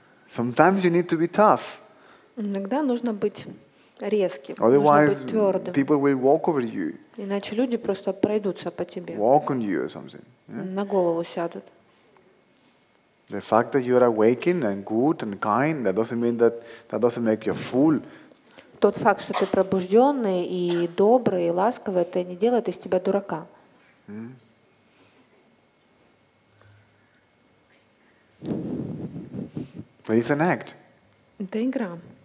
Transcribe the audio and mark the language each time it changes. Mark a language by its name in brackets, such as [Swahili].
[English] Sometimes you need to be tough. [Russian] Иногда нужно быть... резким. [English] Otherwise, [Russian] нужно быть твердым. [English] People will walk over you. [Russian] Иначе люди просто пройдутся по тебе. [English] Walk on you or something. [Russian] Yeah? На голову сядут. [English] The fact that you are awakened and good and kind, that doesn't mean that that doesn't make you a fool. [Russian] Тот факт, что ты пробужденный и добрый и ласковый, это не делает из тебя дурака. [English] But it's an act. [Russian] Это игра.